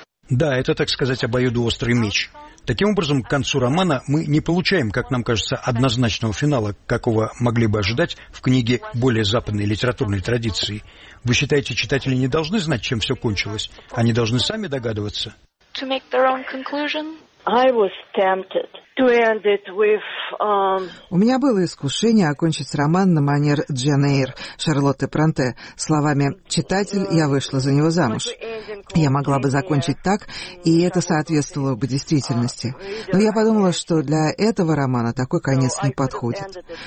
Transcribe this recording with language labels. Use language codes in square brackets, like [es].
[ru] Да, это, так сказать, обоюдоострый меч. Таким образом, к концу романа мы не получаем, как нам кажется, однозначного финала, какого могли бы ожидать в книге более западной литературной традиции. Вы считаете, читатели не должны знать, чем все кончилось? Они должны сами догадываться? [en] To make their own conclusion? I was tempted to end it with, [ru] У меня было искушение окончить роман на манер Джен Эйр Шарлотты Бронте словами «Читатель, я вышла за него замуж». Я могла бы закончить так, и это соответствовало бы действительности. Но я подумала, что для этого романа такой конец не подходит.